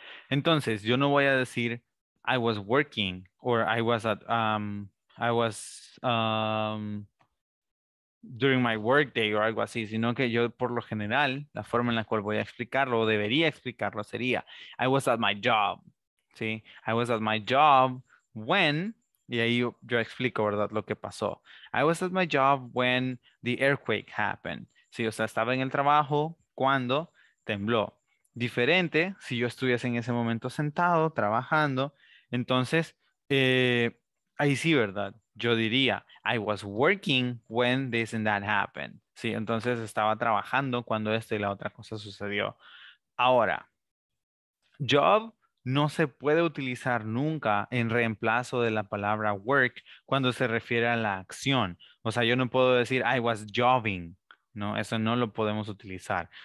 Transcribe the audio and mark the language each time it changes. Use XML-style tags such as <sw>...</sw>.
<es>Entonces, yo no voy a decir</es> <en>I was working or I was at during my work day</en> <es>or algo así, sino que yo por lo general, la forma en la cual voy a explicarlo o debería explicarlo sería</es> <en>I was at my job.</en> <es>Sí,</es> <en>I was at my job when.</en> <es>Y ahí yo explico, ¿verdad?, lo que pasó.</es> <en>I was at my job when the earthquake happened.</en> <es>Sí, o sea, estaba en el trabajo cuando tembló. Diferente, si yo estuviese en ese momento sentado, trabajando, entonces, ahí sí, ¿verdad? Yo diría,</es> <en>I was working when this and that happened.</en> <es>Sí, entonces estaba trabajando cuando esto y la otra cosa sucedió. Ahora, job no se puede utilizar nunca en reemplazo de la palabra work cuando se refiere a la acción. O sea, yo no puedo decir</es> <en>I was jobbing.</en> <es>No, eso no lo podemos utilizar.</es>